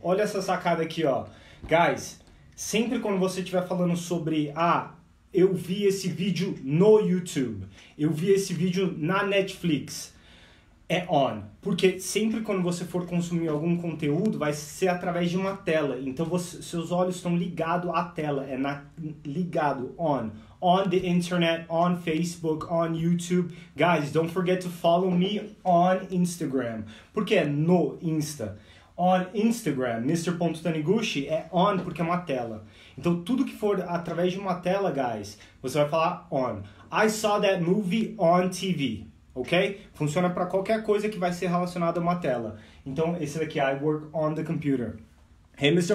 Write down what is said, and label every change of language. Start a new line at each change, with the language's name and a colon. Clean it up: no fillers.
Portuguese: Olha essa sacada aqui, ó. Guys, sempre quando você estiver falando sobre, ah, eu vi esse vídeo no YouTube, eu vi esse vídeo na Netflix, é on. Porque sempre quando você for consumir algum conteúdo, vai ser através de uma tela. Então, seus olhos estão ligados à tela, é ligado, on.
English: On the internet, on Facebook, on YouTube. Guys, don't forget to follow me on Instagram.
Portuguese: Porque é no Insta.
English: On Instagram, Mr.
Portuguese: Taniguchi, é on porque é uma tela. Então, tudo que for através de uma tela, guys, você vai falar on.
English: I saw that movie on TV.
Portuguese: Ok? Funciona para qualquer coisa que vai ser relacionada a uma tela. Então, esse daqui,
English: I work on the computer. Hey, Mr.